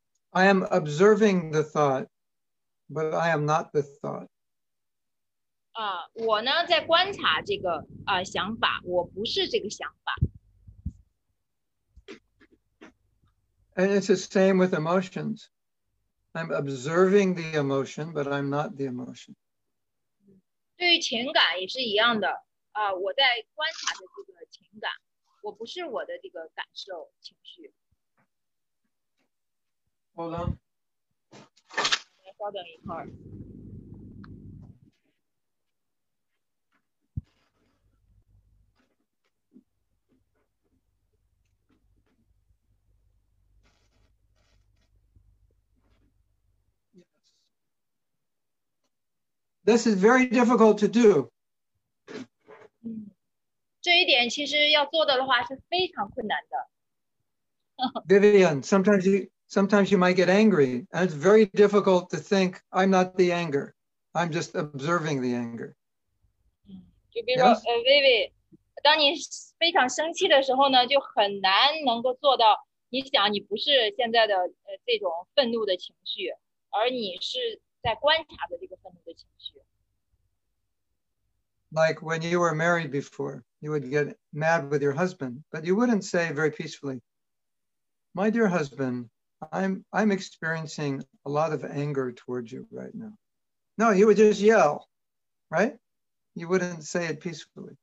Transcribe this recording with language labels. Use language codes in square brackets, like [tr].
[en] I am observing the thought, but I am not the thought. [zh] 我呢在观察这个想法，我不是这个想法。 [en] And it's the same with emotions. I'm observing the emotion, but I'm not the emotion. [zh] 对于情感也是一样的，我在观察着这个情感，我不是我的这个感受情绪。 [en] Hold on. Yes. This is very difficult to do. [zh] 这一点其实要做的话是非常困难的。 [en] Vivian, sometimes you might get angry, and it's very difficult to think, I'm not the anger. I'm just observing the anger. [zh] 就比如说，Vivi，当你非常生气的时候呢，就很难能够做到你想你不是现在的这种愤怒的情绪，而你是在观察的这个愤怒的情绪。 [en] like when you were married before, you would get mad with your husband, but you wouldn't say very peacefully, "My dear husband, I'm experiencing a lot of anger towards you right now." No, you would just yell, right? You wouldn't say it peacefully.